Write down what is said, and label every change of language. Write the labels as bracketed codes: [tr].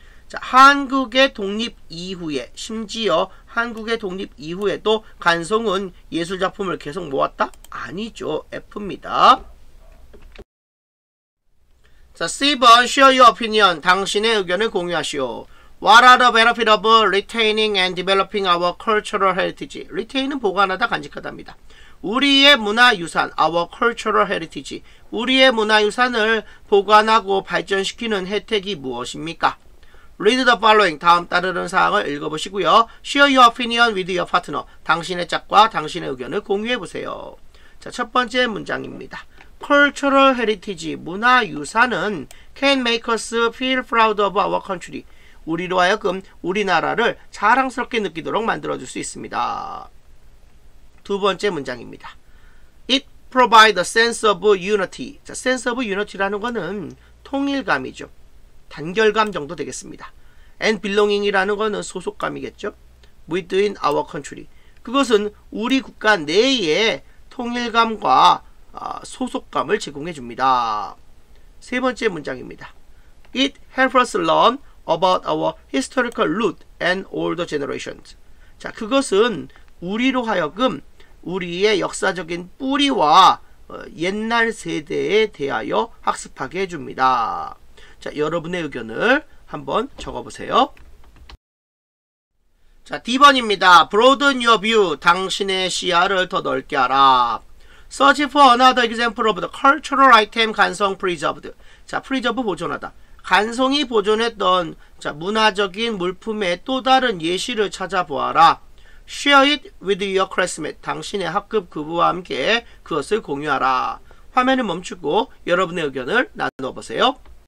[ko] 자, 한국의 독립 이후에, 심지어 한국의 독립 이후에도 간송은 예술 작품을 계속 모았다? 아니죠. F입니다. [en] 자, C번, share your opinion. [ko] 당신의 의견을 공유하시오. [en] What are the benefits of retaining and developing our cultural heritage? [ko] Retain은 보관하다, 간직하다입니다. 우리의 문화유산, [en] our cultural heritage. [ko] 우리의 문화유산을 보관하고 발전시키는 혜택이 무엇입니까? [en] Read the following. [ko] 다음 따르는 사항을 읽어보시고요. [en] Share your opinion with your partner. [ko] 당신의 짝과 당신의 의견을 공유해보세요. 자, 첫 번째 문장입니다. [en] Cultural heritage, [ko] 문화유산은 [en] can make us feel proud of our country. [ko] 우리로 하여금 우리나라를 자랑스럽게 느끼도록 만들어줄 수 있습니다. 두 번째 문장입니다. [en] It provides a sense of unity. [ko] 자, sense of unity라는 것은 통일감이죠. 단결감 정도 되겠습니다. [en] And belonging [ko] 이라는 것은 소속감이겠죠. [en] Within our country. [ko] 그것은 우리 국가 내에 통일감과 소속감을 제공해 줍니다. 세 번째 문장입니다. [en] It helps us learn about our historical root and older generations. [ko] 자, 그것은 우리로 하여금 우리의 역사적인 뿌리와 옛날 세대에 대하여 학습하게 해줍니다. 자, 여러분의 의견을 한번 적어보세요. 자, D번입니다. [en] Broaden your view. [ko] 당신의 시야를 더 넓게 하라. [en] Search for another example of the cultural item 간송 preserved. [ko] 자, preserve 보존하다. 간송이 보존했던 자, 문화적인 물품의 또 다른 예시를 찾아보아라. [en] Share it with your classmate. [ko] 당신의 학급 그부와 함께 그것을 공유하라. 화면을 멈추고 여러분의 의견을 나눠보세요.